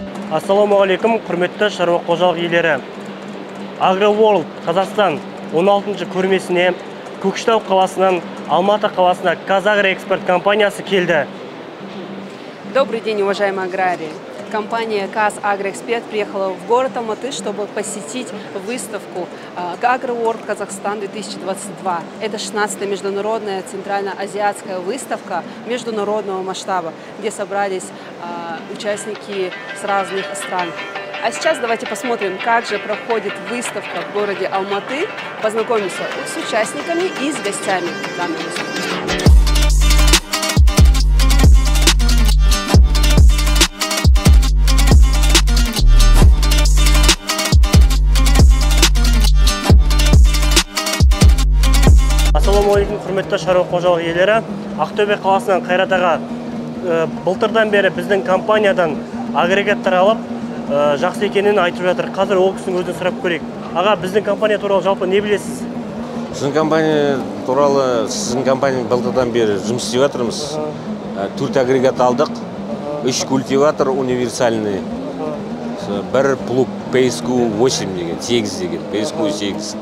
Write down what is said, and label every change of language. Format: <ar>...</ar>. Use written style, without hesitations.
<kk>Ассаламу алейкум, құрметті шаруа қожалық иелері. Агроворлд Қазақстан 16-шы көрмесіне Көкшетау қаласынан Алматы қаласына Қазагроэкспорт компаниясы келді.</kk> <ru>Добрый день, уважаемые аграрии. Компания «КазАгроэксперт» приехала в город Алматы, чтобы посетить выставку «Агроворлд Казахстан 2022». Это 16-я международная центрально-азиатская выставка международного масштаба, где собрались участники с разных стран. А сейчас давайте посмотрим, как же проходит выставка в городе Алматы. Познакомимся с участниками и с гостями данной выставки.</ru> <kk>Құрметті шаруа қожалық иелері, Ақтөбе қаласынан Қайрат аға, былтырдан бері біздің компаниядан агрегаттар алып, жақсы екенін айтып жатыр. Қазір ол кісінің өзін сұрап көрейік. Аға, біздің компания туралы жалпы не білесіз? Сіздің компания былтырдан бері жұмыс істеп жатырмыз. 4 агрегат алдық. 3 культиватор универсальный. Бір плуг PSQ 8 деген, 8 деген, PSQ 8.</kk>